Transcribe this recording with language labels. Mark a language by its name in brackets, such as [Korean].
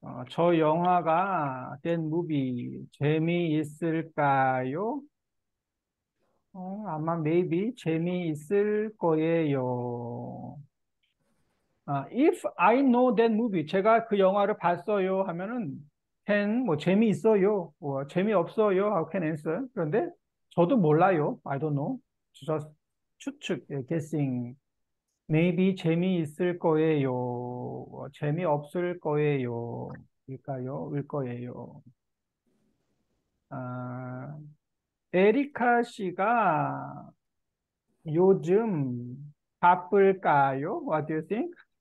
[Korean] 저 영화가 된 무비 재미있을까요? 아마 maybe 재미있을 거예요. [English] If I know that movie, [Korean] 제가 그 영화를 봤어요 하면은 can 뭐 재미있어요. 뭐 재미없어요. [English] How can answer? [Korean] 그런데 저도 몰라요. [English] I don't know. Just 추측, guessing. [Korean] Maybe 재미있을 거예요. 재미없을 거예요. 일까요? 을 거예요. 에리카 씨가 요즘 바쁠까요? [English] What do you think?